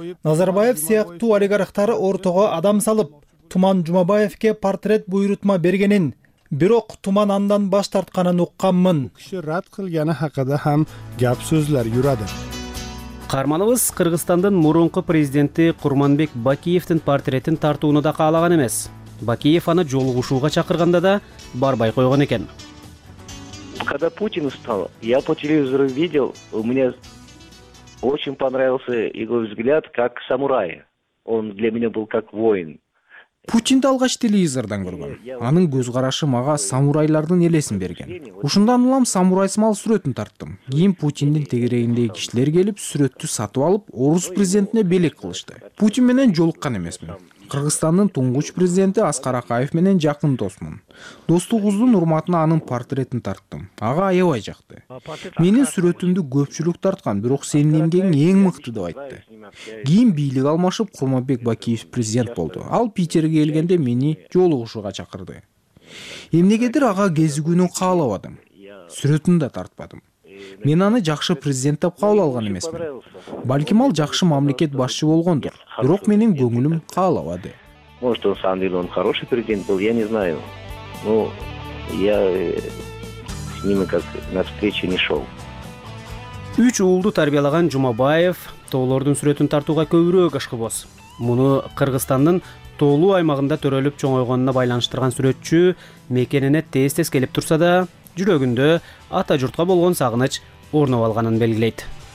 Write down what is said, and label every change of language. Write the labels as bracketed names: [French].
[Kyrgyz] Назарбаев сыяктуу олигархтар ортого адам салып, Туман Жумабаевке портрет буйрутма бергенин, бирок Туман андан баш тартканын укканмын. [Uzbek] Киши рад кылганы хакыда хам гап сөзлөр жүрөт. [Kyrgyz] Карманыбыз Кыргызстандын мурунку президенти Курманбек Бакиевдин портретин тартууну да каалаган эмес. Бакиев аны жолугушууга чакырганда да барбай койгон экен. [Russian] Когда Путин встал, я по телевизору видел, у меня очень понравился его взгляд как самурай. Он для меня был как воин. [Kyrgyz] Путинди алгач телевизордон көргөм. Анын көз карашы мага самурайлардын элесин берген. Ушундан улам самурай смал сүрөтүн тарттым. Кийин Путиндин тегерегиндеги кишилер келип, сүрөттү сатып алып, орус президентине белек кылышты. Путин менен жолуккан эмесмин. Кыргызстандын туңгуч президенти Аскар Акаев менен жакын досмун. Достугубуздун урматына анын портретин тарттым. Ага аябай жакты. Менин сүрөтүмдү көпчүлүк тарткан, бирок сенин эмгегиң эң мыкты деп айтты. Кийин бийлик алмашып, Курманбек Бакиев президент болду. Ал Питерге келгенде мени жолугушууга чакырды. Эмнегедир ага кезигүүнү каалабадым. Сүрөтүн да тартпадым. Мен аны жакшы президент деп кабыл алган эмесмин. Балким ал жакшы мамлекет башчы болгондур, бирок менин көңүлүм каалабады. [Russian] Может, он сам деле он хороший президент был, я не знаю. Ну, я с ними как на встречу не шел. [Kyrgyz] Үч уулду тарбиялаган Жумабаев тоолордун сүрөтүн тартууга көбүрөөк ашкыбоз. Муну Кыргызстандын тоолуу аймагында төрөлүп чоңойгонуна байланыштырган сүрөтчү мекенине тез-тез келип турса да, жүрөгүндө ата журтка болгон сагыныч орноп алганын белгилейт.